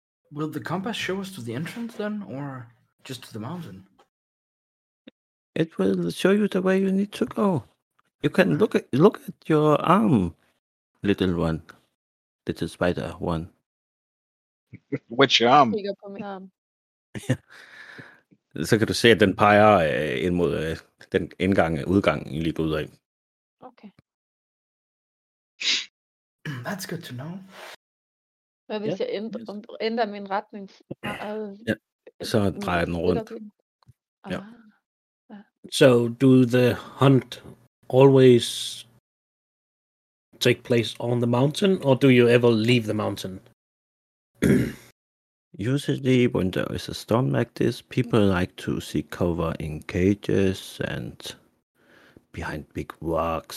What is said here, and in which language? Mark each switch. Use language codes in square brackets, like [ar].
[en] Will the compass show us to the entrance then, or just to the mountain? It will show you the way you need to go. You can look at your arm, little one, little spider one. Which arm? You got my arm. [da] Så kan du se, at den peger ind mod den indgang, udgang, lige ud af. [en] Okay. That's good to know. [da] Hvad hvis jeg ændrer min retning? Så drejer den rundt. Ja. [en] So, do the hunt always take place on the mountain, or do you ever leave the mountain? Usually, when there is a storm like this, people like to seek cover in cages and behind big rocks.